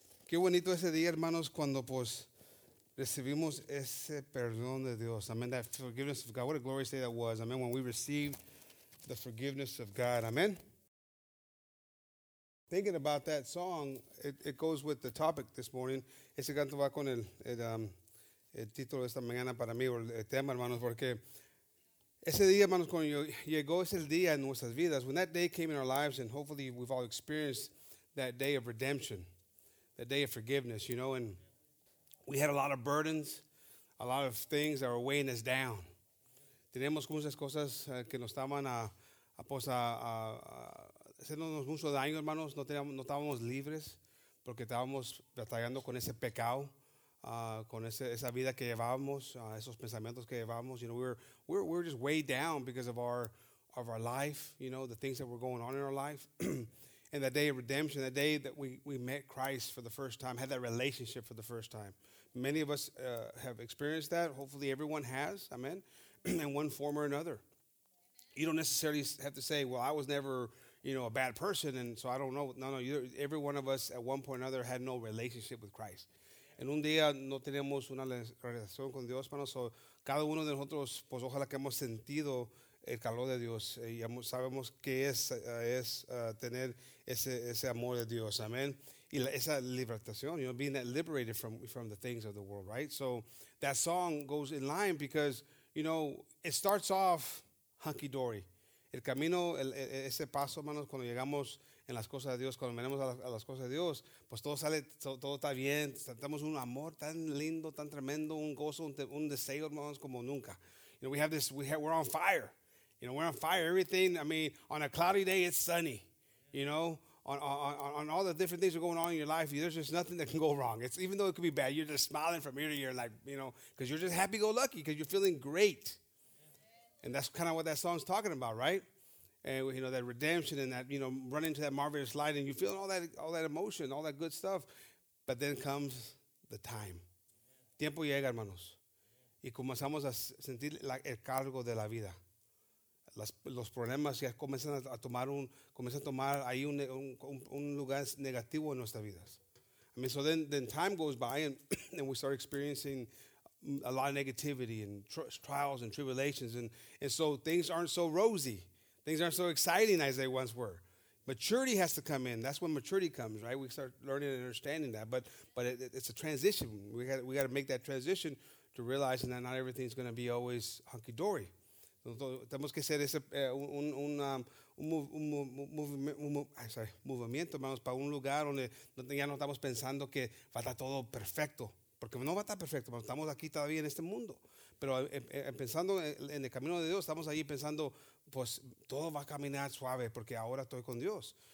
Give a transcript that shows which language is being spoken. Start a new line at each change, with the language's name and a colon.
Spanish: Qué bonito ese día, hermanos, cuando pues recibimos ese perdón de Dios. Amen.
English: That forgiveness of God. What a glorious day that was. Amen. When we received the forgiveness of God. Amen. Thinking about that song, it goes with the topic this morning.
Spanish: Ese canto va con el título de esta mañana para mí, o el tema, hermanos, porque ese día, hermanos, cuando llegó ese día en nuestras vidas,
English: when that day came in our lives, and hopefully we've all experienced that day of redemption, that day of forgiveness, you know, and we had a lot of burdens, a lot of things that were weighing us down.
Spanish: Tenemos muchas cosas que nos estaban haciéndonos mucho daño, hermanos. No estábamos libres porque estábamos batallando con ese pecado, con esa vida que llevábamos, esos pensamientos que llevábamos.
English: You know, we're just weighed down because of our life, you know, the things that were going on in our life. And that day of redemption, that day that we met Christ for the first time, had that relationship for the first time. Many of us have experienced that. Hopefully everyone has, amen, in one form or another. You don't necessarily have to say, well, I was never, you know, a bad person, and so I don't know. No, every one of us at one point or another had no relationship with Christ.
Spanish: En un día no tenemos una relación con Dios, hermanos. So, cada uno de nosotros, pues ojalá que hemos sentido el calor de Dios. Y sabemos qué es tener ese amor de Dios. Amen. Y esa libertación,
English: you know, being that liberated from the things of the world, right? So that song goes in line because, you know, it starts off hunky-dory.
Spanish: El camino, ese paso, hermanos, cuando llegamos en las cosas de Dios, cuando venimos a las cosas de Dios, pues todo sale, todo está bien. Tenemos un amor tan lindo, tan tremendo, un gozo, un deseo, hermanos, como nunca.
English: You know, we're on fire. You know, we're on fire. Everything, I mean, on a cloudy day, it's sunny. You know, on all the different things that are going on in your life, there's just nothing that can go wrong. It's, even though it could be bad, you're just smiling from ear to ear, like, you know, because you're just happy-go-lucky, because you're feeling great. And that's kind of what that song's talking about, right? And, you know, that redemption and that, you know, running to that marvelous light and you feeling all that emotion, all that good stuff. But then comes the time.
Spanish: Tiempo llega, hermanos. Y comenzamos a sentir el cargo de la vida. Los problemas ya comienzan a tomar ahí un lugar negativo en nuestras vidas.
English: I mean, so then time goes by and we start experiencing a lot of negativity and trials and tribulations. And so things aren't so rosy. Things aren't so exciting as they once were. Maturity has to come in. That's when maturity comes, right? We start learning and understanding that. But it's a transition. We got to make that transition to realizing that not everything's going to be always hunky-dory.
Spanish: Tenemos que hacer ese movimiento, vamos para un lugar donde ya no estamos pensando que va a estar todo perfecto. Porque no va a estar perfecto, estamos aquí todavía en este mundo. Pero pensando en el camino de Dios, estamos ahí pensando, pues todo va a caminar suave porque ahora estoy con Dios.